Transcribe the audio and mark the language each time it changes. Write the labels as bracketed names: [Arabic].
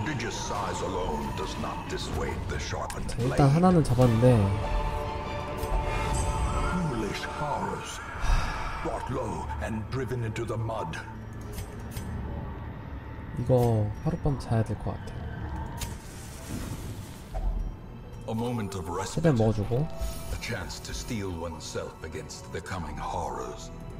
[English] size alone does not dissuade the sharpened blade. [Korean] 일단 하나는 잡았는데. [English] Foolish horrors, brought low and driven into the mud. [Korean] 이거 하룻밤 자야 될 것 같아. [English] A moment of respite. [Korean] 먹어주고. [English] A chance to steel oneself against the coming horrors.